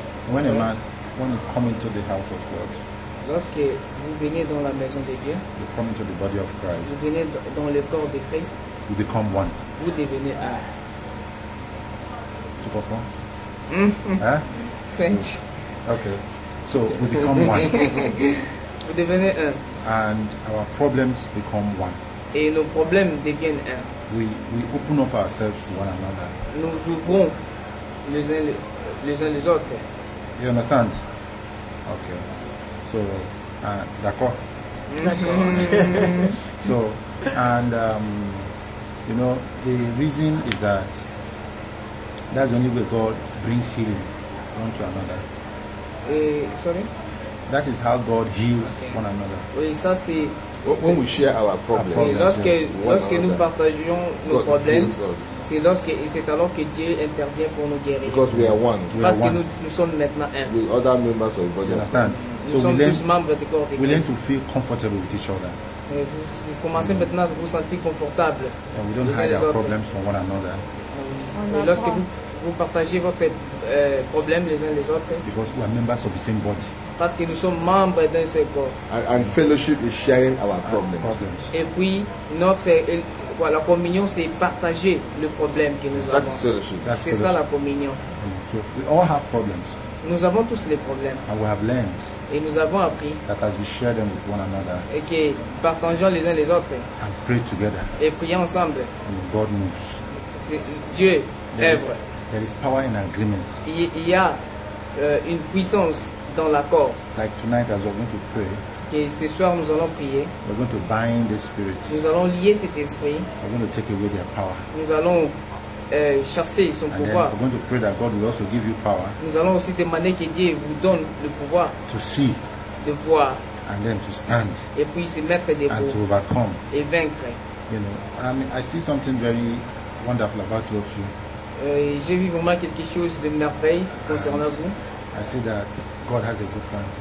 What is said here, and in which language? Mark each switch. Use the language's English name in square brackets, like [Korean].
[English] When a man, when you come into the house of God, [French] lorsque vous venez dans la maison de Dieu, [English] you come into the body of Christ, [French] vous venez dans le corps de Christ, [English] you become one. [French] Vous devenez un. Tu comprends? [English] Hein? French. Okay. So we become one. [French] Vous devenez un. [English] And our problems become one. [French] Et nos problèmes deviennent un. [English] We open up ourselves to one another. [French] Nous ouvrons les uns les autres. [English] You understand? Okay. So, [French] d'accord. [English] So, and you know, the reason is that that's only way God brings healing one to another. That is how God heals one another. [French] Oui, ça c'est. [English] When we share our problems. [French] Lorsque nous partageons nos problèmes, c'est lorsque et c'est alors que Dieu intervient pour nous guérir. [English] Because we are one. [French] Parce que nous sommes maintenant un. [English] With other members of the body. Understand? So we learn to feel comfortable with each other. [French] Vous commencez maintenant à vous sentir confortable. [English] And we don't hide our problems from one another. [French] Et lorsque vous partagez votre problème les uns les autres. [English] Because we are members of the same body. [French] Parce que nous sommes membres d'un seul corps. [English] And fellowship is sharing our problems. [French] Et puis la communion c'est partager le problème que nous [English] That's [French] avons. [English] Fellowship. [French] C'est [English] fellowship. [French] Ça la communion. [English] Mm. So we all have problems. [French] Nous avons tous les problèmes. [English] And we have learned. [French] Et nous avons appris. [English] That as we share them with one another. [French] Et que partageons les uns les autres. [English] And pray together. [French] Et prions ensemble. [English] And God moves. [French] C'est Dieu. [English] There is power in agreement. [French] Il y a une puissance dans l'accord. [English] Like tonight, as we're going to pray. [French] Et ce soir, nous allons prier. [English] We're going to bind the spirits. [French] Nous allons lier cet esprit. [English] We're going to take away their power. [French] Nous allons chasser son [English] and [French] pouvoir. [English] We're going to pray that God will also give you power. [French] Nous allons aussi demander que Dieu vous donne le pouvoir. [English] To see. [French] De voir. [English] And then to stand. [French] Et puis se mettre debout. [English] And to overcome. [French] Et vaincre. [English] You know, I see something very wonderful about two of you. [French] J'ai vu vraiment quelque chose de merveilleux concernant and vous. [English] I see that God has a good plan.